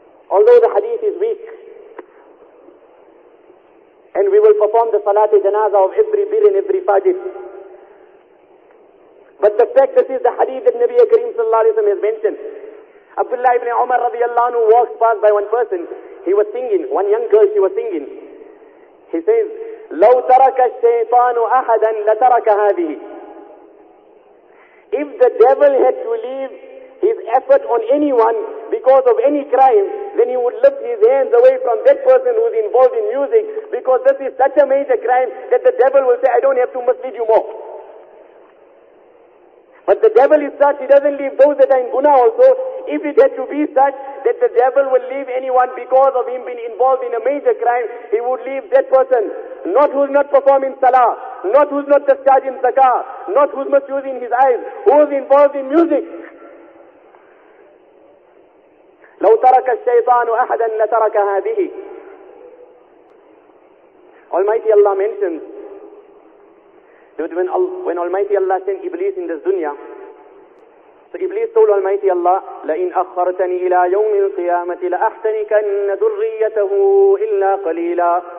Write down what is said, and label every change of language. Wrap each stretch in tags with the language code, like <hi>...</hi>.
<en>Although the hadith is weak, and we will perform the salat janaza of every bir and every fajr, but the fact, this is the hadith that Nabi Kareem sallallahu alayhi wa sallam has mentioned. Abdullah ibn Umar radiallahu anhu walks past by one person. He was singing. One young girl, she was singing. He says,</en> <ar>لَوْ تَرَكَ الشَّيْطَانُ أَحَدًا لَتَرَكَ هَذِهِ.</ar> <en>If the devil had to leave his effort on anyone because of any crime, then he would lift his hands away from that person who is involved in music, because this is such a major crime that the devil will say, I don't have to mislead you more. But the devil is such, he doesn't leave those that are in guna also. If it had to be such that the devil will leave anyone because of him being involved in a major crime, he would leave that person, not who's not performing salah, not who's not discharging zakah, not who's not using his eyes, who's involved in music.</en> <ar>لَوْ تَرَكَ الشَّيْطَانُ أَحَدًا لَتَرَكَ هَذِهِ.</ar> <en>Almighty Allah mentions, that when Almighty Allah sent Iblis in this dunya, so Iblis told Almighty Allah,</en> <ar>لَإِنْ أَخَّرْتَنِي إِلَىٰ يَوْمِ الْقِيَامَةِ لَأَحْتَنِكَنَّ ذُرِّيَّتَهُ إِلَّا قَلِيلًا.</ar>